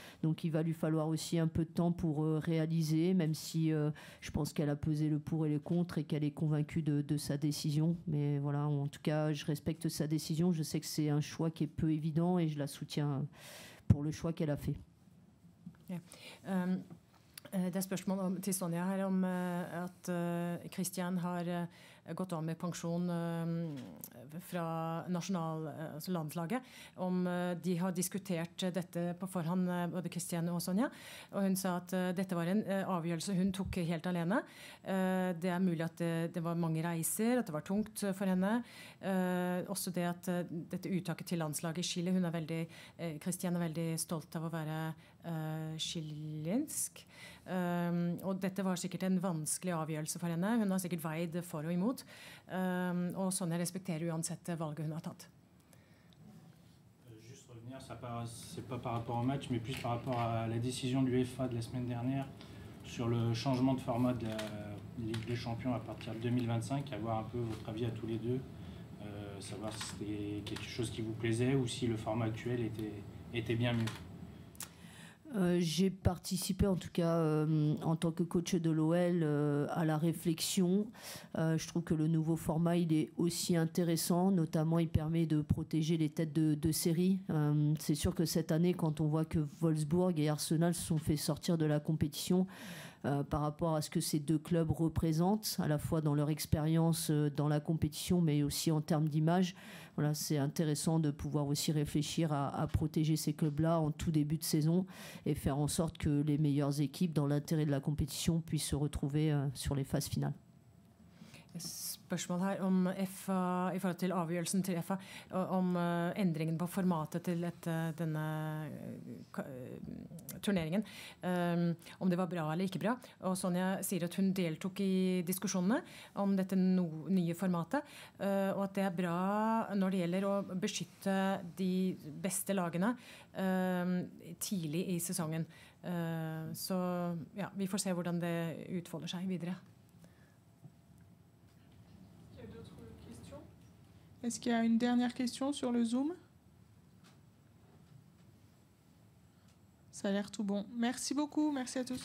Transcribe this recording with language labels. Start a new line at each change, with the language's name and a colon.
French: Donc il va lui falloir aussi un peu de temps pour réaliser, même si je pense qu'elle a pesé le pour et le contre et qu'elle est convaincue de sa décision. Mais voilà, en tout cas, je respecte sa décision. Je sais que c'est un choix qui est peu évident et je la soutiens pour le choix qu'elle a fait.
Norwegian: Det er spørsmålet om, til Sonja her om at Christian har gått av med pensjon fra nasjonal, altså landslaget, om de har diskutert dette på forhånd, både Christian og Sonja, og hun sa at dette var en avgjørelse hun tok helt alene. Det er mulig at det var mange reiser, at det var tungt for henne. Også det at dette uttaket til landslaget i Chile, hun er veldig, Christian er veldig stolt av å være chilensk. Og dette var sikkert en vanskelig avgjørelse for henne. Hun har sikkert veid for og imot. Og sånn jeg respekterer uansett valget hun har tatt.
French: Juste revenir, c'est pas par rapport au match, mais plus par rapport à la décision de l'UEFA de la semaine dernière sur le changement de format de la Ligue des Champions à partir de 2025, avoir un peu votre avis à tous les deux, savoir si c'était quelque chose qui vous plaisait ou si le format actuel était bien mieux. J'ai participé en tout cas en tant que coach de l'OL à la réflexion. Je trouve que le nouveau format, il est aussi intéressant, notamment il permet de protéger les têtes de série. C'est sûr que cette année, quand on voit que Wolfsburg et Arsenal se sont fait sortir de la compétition par rapport à ce que ces deux clubs représentent, à la fois dans leur expérience dans la compétition, mais aussi en termes d'image. Voilà, c'est intéressant de pouvoir aussi réfléchir à protéger ces clubs-là en tout début de saison et faire en sorte que les meilleures équipes, dans l'intérêt de la compétition, puissent se retrouver sur les phases finales.
Norwegian: Spørsmål her om FA, i forhold til avgjørelsen til FA, om endringen på formatet til denne turneringen, om det var bra eller ikke bra. Og Sonja sier at hun deltok i diskusjonene om dette nye formatet, og at det er bra når det gjelder å beskytte de beste lagene tidlig i sesongen. Så ja, vi får se hvordan det utfolder seg videre.
French: Est-ce qu'il y a une dernière question sur le Zoom? Ça a l'air tout bon. Merci beaucoup. Merci à tous.